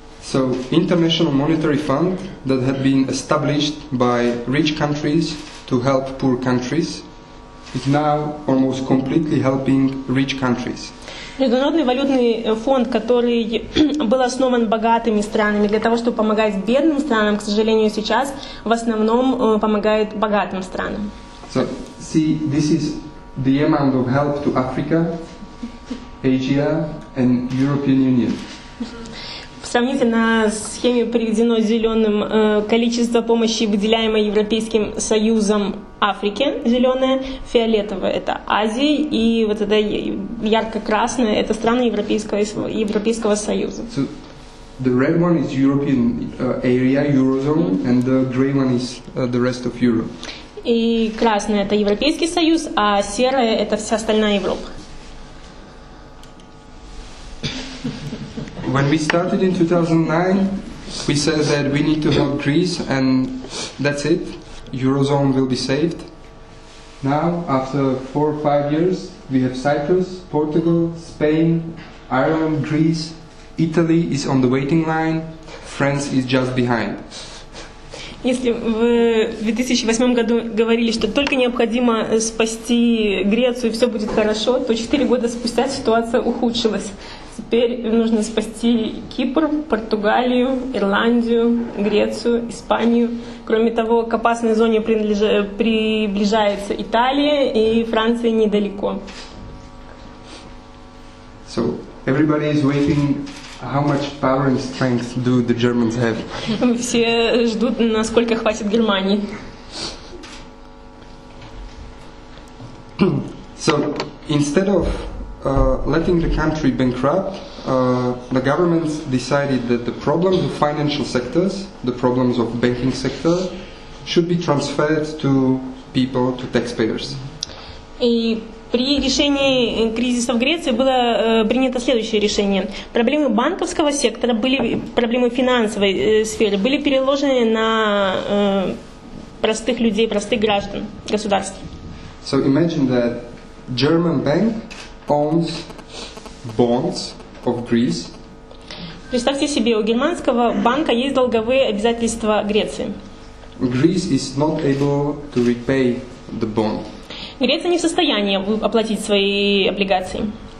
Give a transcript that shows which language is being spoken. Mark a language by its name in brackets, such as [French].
[English] So, International Monetary Fund that had been established by rich countries to help poor countries is now almost completely helping rich countries. [Russian] Международный валютный фонд, который был основан богатыми странами для того, чтобы помогать бедным странам, к сожалению, сейчас в основном помогает богатым странам. [English] So, see, this is the amount of help to Africa, Asia, and European Union. [Russian] Сравнительно с схеме приведено зеленым количество помощи, выделяемой Европейским Союзом Африке, зеленое, фиолетовое это Азия, и вот это ярко-красное это страны Европейского Союза. [English] So, the red one is European area, Eurozone, and the grey one is the rest of Europe. [Russian] И красное это Европейский Союз, а серое это вся остальная Европа. [English] When we started in 2009, we said that we need to help Greece, and that's it. Eurozone will be saved. Now, after 4 or 5 years, we have Cyprus, Portugal, Spain, Ireland, Greece, Italy is on the waiting line, France is just behind. [Russian] Если в 2008 году говорили, что только необходимо спасти Грецию, и все будет хорошо, то 4 года спустя ситуация ухудшилась. Теперь нужно спасти Кипр, Португалию, Ирландию, Грецию, Испанию. Кроме того, к опасной зоне приближается Италия, и Франция недалеко. [English] So, everybody is waiting. How much power and strength do the Germans have? [Russian] Все ждут, насколько хватит Германии. [English] So, instead of letting the country bankrupt, the government decided that the problems of financial sectors, the problems of banking sector, should be transferred to people, to taxpayers. [Russian] При решении кризиса в Греции было принято следующее решение. Проблемы банковского сектора, проблемы финансовой сферы были переложены на простых людей, простых граждан, государств. [English] So imagine that German bank owns bonds of Greece. [Russian] Представьте себе, у германского банка есть долговые обязательства Греции. [English] Greece is not able to repay the bond. [Russian] Греция не в состоянии оплатить свои облигации.